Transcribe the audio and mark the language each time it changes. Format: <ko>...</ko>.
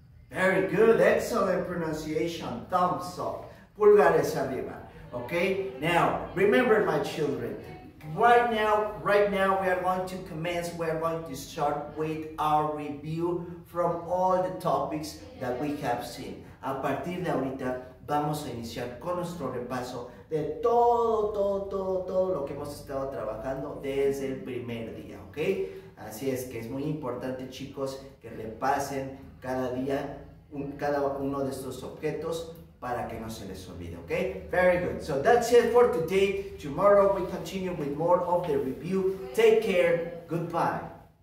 <en>Very good, excellent pronunciation. Thumbs up,</en> <es>pulgares arriba.</es> <en>Okay, now remember, my children, Right now, we are going to commence, we are going to start with our review from all the topics that we have seen.</en> <es>A partir de ahorita, vamos a iniciar con nuestro repaso de todo lo que hemos estado trabajando desde el primer día, ¿ok? Así es que es muy importante, chicos, que repasen cada día cada uno de estos objetos, para que no se les olvide, okay?</es> <en>Very good. So that's it for today. Tomorrow we continue with more of the review. Take care. Goodbye.</en>